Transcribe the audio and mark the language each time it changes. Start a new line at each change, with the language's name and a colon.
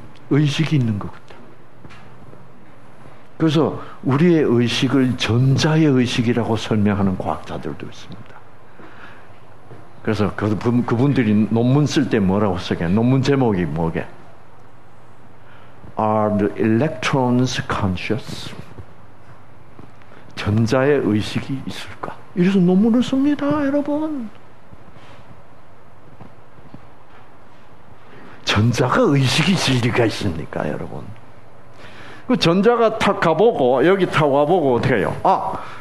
Korean: 의식이 있는 것 같다. 그래서 우리의 의식을 전자의 의식이라고 설명하는 과학자들도 있습니다. 그래서 그분들이 논문 쓸 때 뭐라고 쓰게? 논문 제목이 뭐게?
English: Are the electrons conscious?
Korean: 전자의 의식이 있을까? 이래서 논문을 씁니다, 여러분. 전자가 의식이 있을 리가 있습니까, 여러분? 그 전자가 탁 가보고, 여기 탁 와보고 어떻게 해요? 아!